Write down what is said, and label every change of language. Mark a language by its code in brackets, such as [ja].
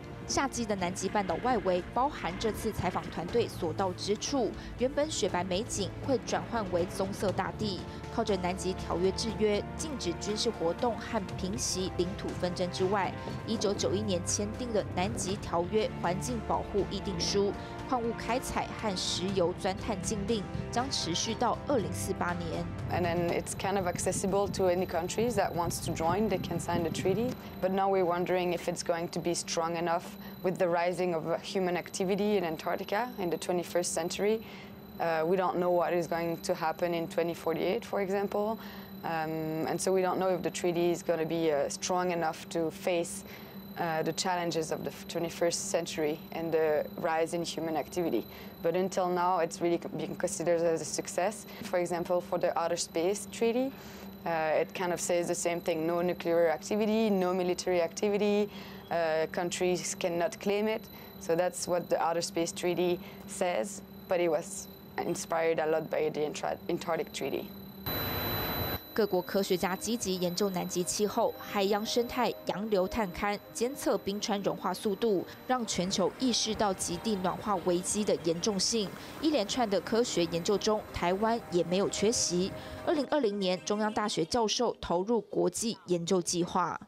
[zh] 夏季的南极半岛外围，包含这次采访团队所到之处，原本雪白美景会转换为棕色大地。靠着南极条约制约，禁止军事活动和平息领土纷争之外，1991年签订的南极条约环境保护议定书、矿物开采和石油钻探禁令将持续到2048年。 [en] And then it's kind of accessible to any countries that wants to join, they can sign the treaty. But now we're wondering if it's going to be strong enough with the rising of human activity in Antarctica in the 21st century. We don't know what is going to happen in 2048, for example. And so we don't know if the treaty is going to be strong enough to face the challenges of the 21st century and the rise in human activity. But until now, it's really being considered as a success. For example, for the Outer Space Treaty, it kind of says the same thing, no nuclear activity, no military activity, countries cannot claim it. So that's what the Outer Space Treaty says, but it wasinspired a lot by the Antarctic Treaty. [zh] 各国科学家积极研究南极气候、海洋生态、洋流探勘、监测冰川融化速度，让全球意识到极地暖化危机的严重性。一连串的科学研究中，台湾也没有缺席。 2020年，中央大学教授投入国际研究计划。